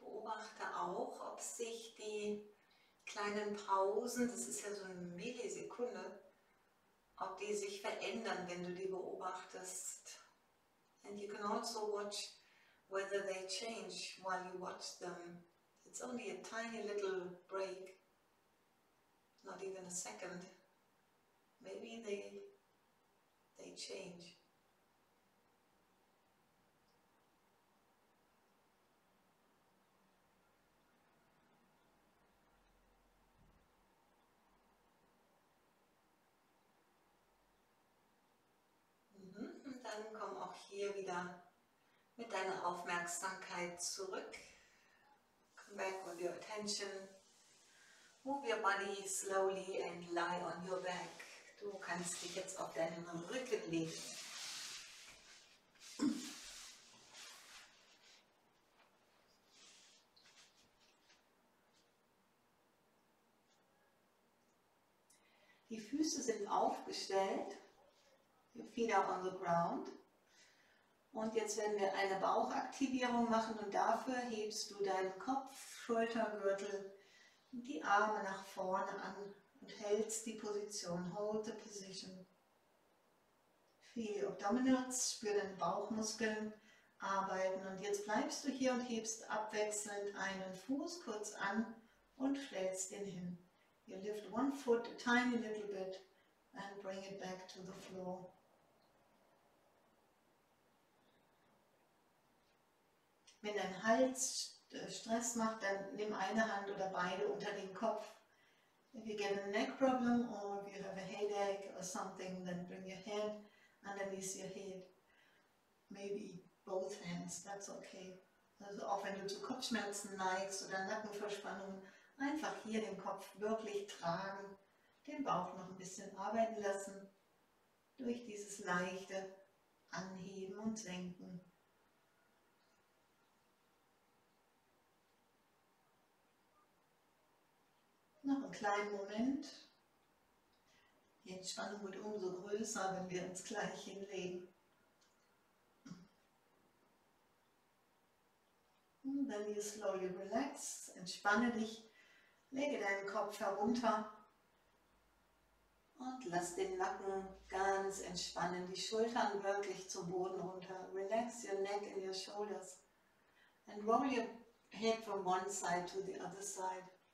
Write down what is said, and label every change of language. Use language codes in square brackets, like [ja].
[de] Beobachte auch, ob sich die kleinen Pausen, das ist ja so eine Millisekunde, ob die sich verändern, wenn du die beobachtest. [en] And you can also watch whether they change while you watch them. It's only a tiny little break, not even a second. Maybe they change. [de] Dann komm auch hier wieder mit deiner Aufmerksamkeit zurück. [en] Come back with your attention. Move your body slowly and lie on your back. [de] Du kannst dich jetzt auf deinen Rücken legen. Die Füße sind aufgestellt. [en] Your feet are on the ground. [de] Und jetzt werden wir eine Bauchaktivierung machen und dafür hebst du deinen Kopf, Schultergürtel und die Arme nach vorne an und hältst die Position. [en] Hold the position. Feel your abdominals, [de] spür deine Bauchmuskeln arbeiten. Und jetzt bleibst du hier und hebst abwechselnd einen Fuß kurz an und stellst ihn hin. [en] You lift one foot a tiny little bit and bring it back to the floor. [de] Wenn dein Hals Stress macht, dann nimm eine Hand oder beide unter den Kopf. [en] If you get a neck problem or if you have a headache or something, then bring your hand underneath your head. Maybe both hands, that's okay. [de] Also auch wenn du zu Kopfschmerzen neigst oder Nackenverspannung, einfach hier den Kopf wirklich tragen, den Bauch noch ein bisschen arbeiten lassen, durch dieses leichte Anheben und Senken. Noch einen kleinen Moment. Die Entspannung wird umso größer, wenn wir uns gleich hinlegen. Und [en] then you slowly relax, [de] entspanne dich, lege deinen Kopf herunter Und lass den Nacken ganz entspannen, die Schultern wirklich zum Boden runter. [en] Relax your neck and your shoulders. And roll your head from one side to the other side.